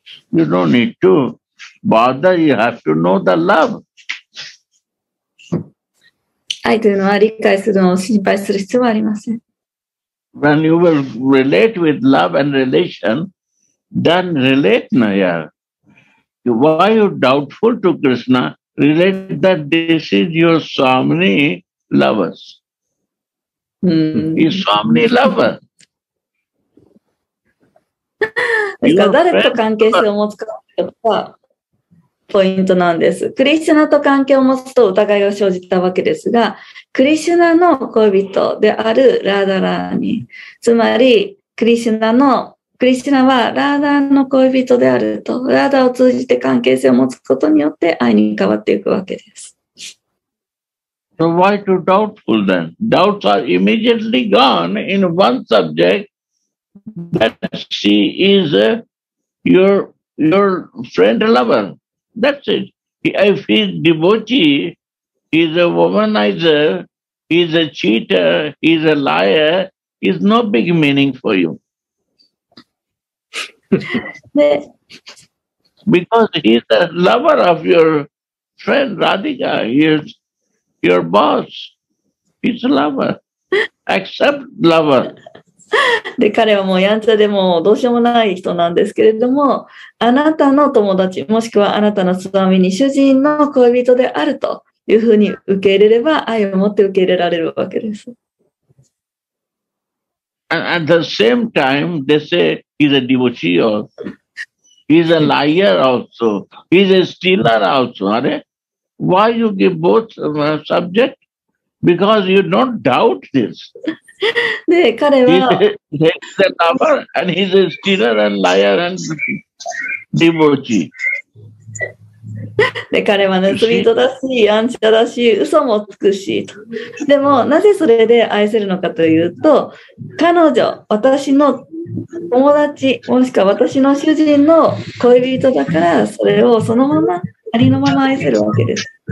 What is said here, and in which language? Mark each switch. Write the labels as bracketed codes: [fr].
[en] You don't need to bother, you have to know the love. [ja] 愛というのは理解するのを心配する必要はありません。 [en] When you will relate with love and relation, then relate Naya. Why are you doubtful to Krishna? Relate that this is your Swamini lovers. He's Swamini lover. [ja] 誰と関係性を持つかはポイントなんです。クリシュナと関係を持つと疑いが生じたわけですが、クリシュナの恋人であるラーダラーニ、つまりクリシュナはラーダの恋人であると、ラーダを通じて関係性を持つことによって愛に変わっていくわけです。 [en] So why to doubtful then? Doubts are immediately gone in one subject that she is your friend lover. That's it. If he's devotee, he's a womanizer, he's a cheater, he's a liar, he's no big meaning for you. Because he's a lover of your friend Radhika, he's your boss, he's a lover. Accept lover. [ja] で彼はもうやんちゃでもどうしようもない人なんですけれども、あなたの友達もしくはあなたのスワミニ主人の恋人であるというふうに受け入れれば愛を持って受け入れられるわけです。 [en] And at the same time they say he's a devotee also. He's a liar also. He's a stealer also. Are Why you give both subject? Because you don't doubt this. [ja] で彼は [en] He's a lover and he's a stealer and liar and devotee. [ja] で彼は盗人だし、やんちゃだし、嘘もつくし。でもなぜそれで愛せるのかというと、彼女、私の友達もしくは私の主人の恋人だから、それをそのままありのまま愛せるわけです。